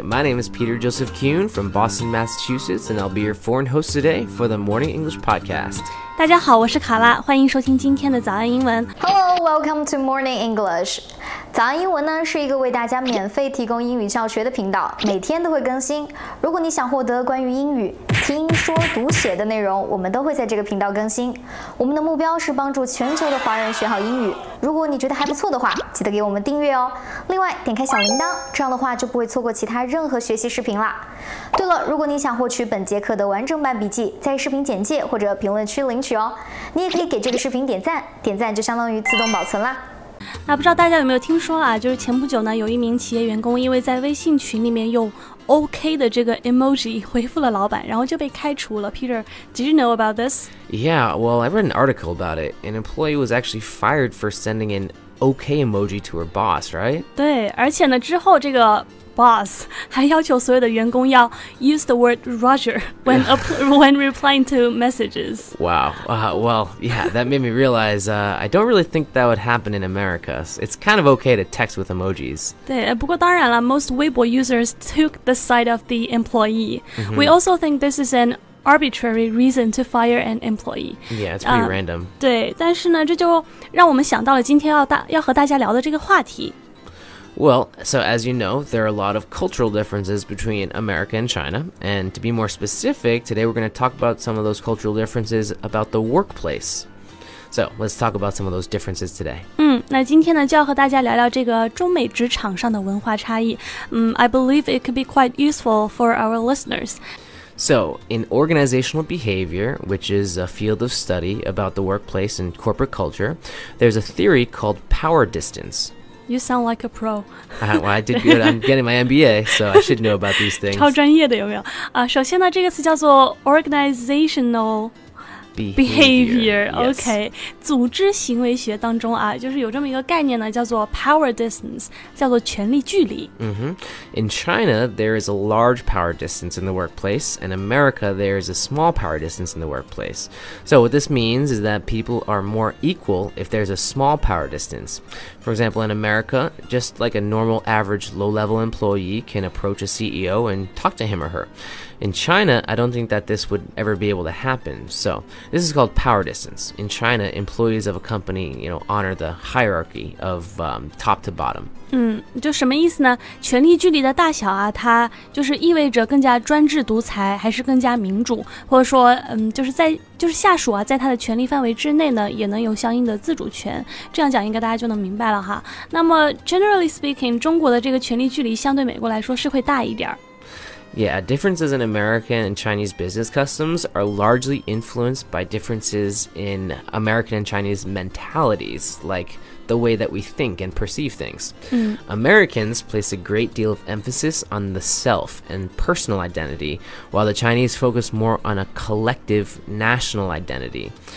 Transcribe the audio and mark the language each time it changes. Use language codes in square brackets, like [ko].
[en] My name is Peter Joseph Kuhn from Boston, Massachusetts, and I'll be your foreign host today for the Morning English Podcast. [zh] 大家好，我是卡拉，欢迎收听今天的早安英文。 [en] Hello, welcome to Morning English. [zh] 早安英文呢是一个为大家免费提供英语教学的频道，每天都会更新。如果你想获得关于英语听说读写的内容，我们都会在这个频道更新。我们的目标是帮助全球的华人学好英语。如果你觉得还不错的话，记得给我们订阅哦。另外点开小铃铛，这样的话就不会错过其他任何学习视频啦。对了，如果你想获取本节课的完整版笔记，在视频简介或者评论区领取哦。你也可以给这个视频点赞，点赞就相当于自动保存啦。那不知道大家有没有听说啊，就是前不久呢，有一名企业员工因为在微信群里面用 OK 的这个 emoji 回复了老板，然后就被开除了。 [en] Peter, did you know about this? Yeah, well, I read an article about it. An employee was actually fired for sending an OK emoji to her boss, right? [zh] 对，而且呢，之后这个Boss 还要求所有的员工要 [en] use the word Roger when replying to messages. Wow. Well, yeah, that made me realize, I don't really think that would happen in America. It's kind of okay to text with emojis. [zh] 对，不过当然了， [en] most Weibo users took the side of the employee. Mm-hmm. We also think this is an arbitrary reason to fire an employee. Yeah, it's pretty random. [zh] 对，但是呢，这就让我们想到了今天要和大家聊的这个话题。 [en] Well, so as you know, there are a lot of cultural differences between America and China. And to be more specific, today we're going to talk about some of those cultural differences about the workplace. So let's talk about some of those differences today. [zh] 那今天呢就要和大家聊聊这个中美职场上的文化差异。 [en] I believe it could be quite useful for our listeners. So in organizational behavior, which is a field of study about the workplace and corporate culture, there's a theory called power distance. You sound like a pro. Well, I did good. I'm getting my MBA, so I should know about these things. [zh] 超专业的有没有？首先呢，这个词叫做 organizational [en] behavior. [zh] OK, 组织行为学当中啊，就是有这么一个概念呢，叫做 power distance, 叫做权力距离。 [en] In China, there is a large power distance in the workplace. In America, there is a small power distance in the workplace. So what this means is that people are more equal if there's a small power distance. For example, in America, just like a normal average low-level employee can approach a CEO and talk to him or her. In China, I don't think that this would ever be able to happen. So this is called power distance. In China, employees of a company, you know, honor the hierarchy of top to bottom. [zh] 就什么意思呢？权力距离的大小啊，它就是意味着更加专制独裁，还是更加民主，或者说，就是下属啊，在他的权力范围之内呢，也能有相应的自主权。这样讲应该大家就能明白了哈。那么 [en] generally speaking, [zh] 中国的这个权力距离相对美国来说是会大一点。 [en] Yeah, differences in American and Chinese business customs are largely influenced by differences in American and Chinese mentalities, like the way that we think and perceive things. Americans place a great deal of emphasis on the self and personal identity, while the Chinese focus more on a collective national identity.